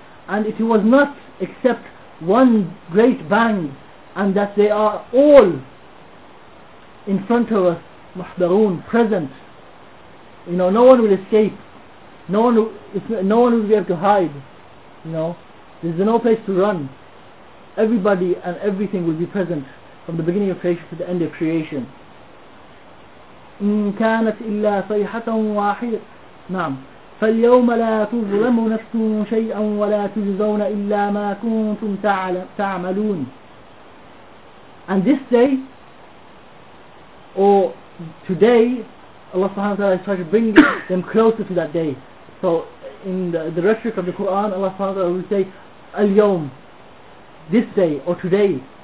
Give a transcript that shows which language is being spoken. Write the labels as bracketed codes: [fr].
[en] And it was not except one great bang, and that they are all in front of us, محضرون, present. You know, no one will escape. No one will be able to hide. You know, there's no place to run. Everybody and everything will be present from the beginning of creation to the end of creation. [ar] إن كانت إلا صيحة واحدة. نعم. فاليوم لا تظلم نفس شيئا ولا تجزون إلا ما كنتم تعملون. [en] And this day, or today, Allah subhanahu wa ta'ala is trying to bring them closer to that day. So in the rhetoric of the Quran, Allah subhanahu wa ta'ala will say al-yawm, this day or today.